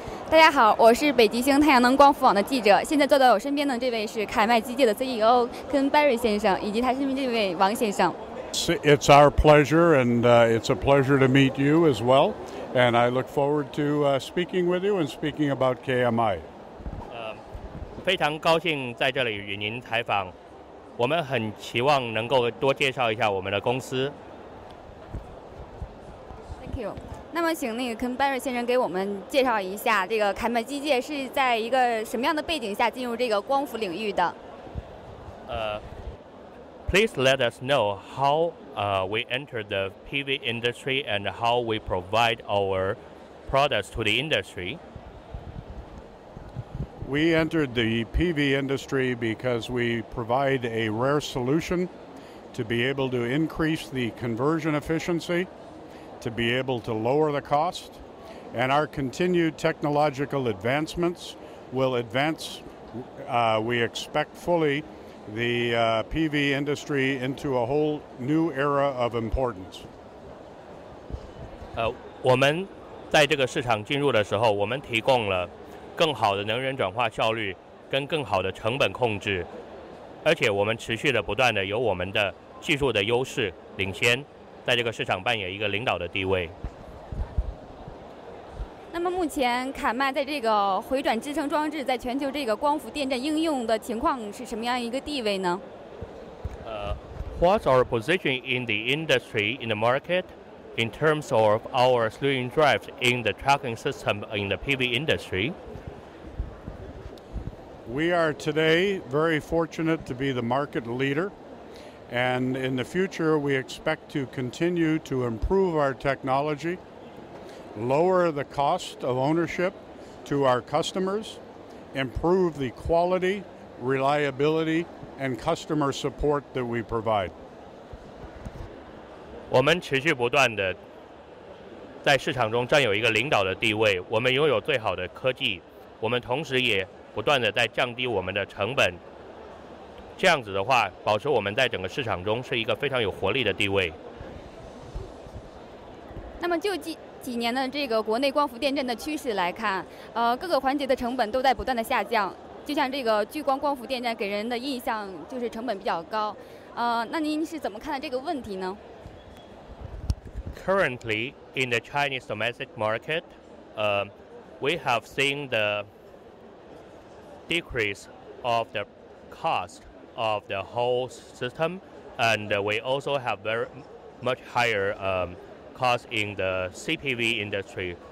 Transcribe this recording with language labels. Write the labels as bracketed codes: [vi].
[zh] 大家好，我是北极星太阳能光伏网的记者，现在坐在我身边的这位是凯麦机械的 CEO 跟 Barry 先生，以及他身边这位王先生。 [en] It's our pleasure, and it's a pleasure to meet you as well. And I look forward to speaking with you and speaking about KMI. [zh] 非常高兴在这里与您采访。我们很期望能够多介绍一下我们的公司。 [en] Thank you. [zh] 那么请那个跟 Barry 先生给我们介绍一下，这个凯麦机械是在一个什么样的背景下进入这个光伏领域的？ [en] Please let us know how we entered the PV industry and how we provide our products to the industry. We entered the PV industry because we provide a rare solution to be able to increase the conversion efficiency, to be able to lower the cost, and our continued technological advancements will advance, we expect fully,PV industry into a whole new era of importance. [zh] 我们在这个市场进入的时候，我们提供了更好的能源转化效率跟更好的成本控制，而且我们持续的不断的有我们的技术的优势领先，在这个市场扮演一个领导的地位。那么目前凯麦在这个回转支撑装置在全球这个光伏电站应用的情况是什么样一个地位呢？ [en] What's our position in the industry in the market in terms of our slewing drives in the tracking system in the PV industry? We are today very fortunate to be the market leader, and in the future we expect to continue to improve our technology. Lower the cost of ownership to our customers, improve the quality, reliability, and customer support that we provide. [zh] 我们持续不断地在市场中占有一个领导的地位，我们拥有最好的科技，我们同时也不断地在降低我们的成本，这样子的话，保持我们在整个市场中是一个非常有活力的地位。那么就近几年的这个国内光伏电站的趋势来看，各个环节的成本都在不断的下降，就像这个聚光光伏电站给人的印象就是成本比较高，那您是怎么看待这个问题呢？ [en] Currently in the Chinese domestic market, we have seen the decrease of the cost of the whole system, and we also have very much higher cost in the CPV industry.